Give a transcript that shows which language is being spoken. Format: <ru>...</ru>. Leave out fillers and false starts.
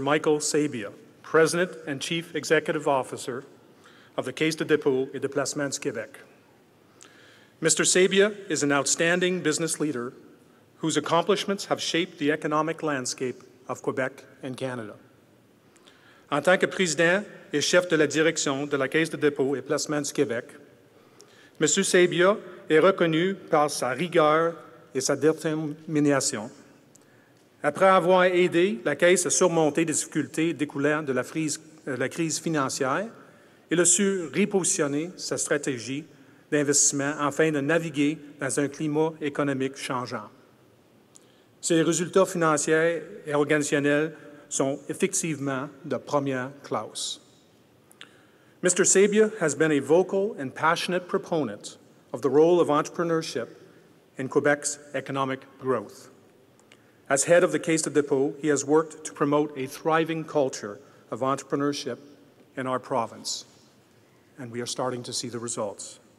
<en>Michael Sabia, President and Chief Executive Officer of the Caisse de dépôt et de placements Québec. Mr. Sabia is an outstanding business leader whose accomplishments have shaped the economic landscape of Quebec and Canada.</en> <fr>En tant que président et chef de la direction de la Caisse de dépôt et placements Québec, Mr. Sabia est reconnu par sa rigueur et sa détermination. Après avoir aidé la Caisse à surmonter des difficultés découlant de la crise financière, il a su repositionner sa stratégie d'investissement afin de naviguer dans un climat économique changeant. Ses résultats financiers et organisationnels sont effectivement de première classe.</fr> <en>Mr. Sabia has been a vocal and passionate proponent of the role of entrepreneurship in Quebec's economic growth. As head of the Caisse de dépôt, he has worked to promote a thriving culture of entrepreneurship in our province, and we are starting to see the results.</en>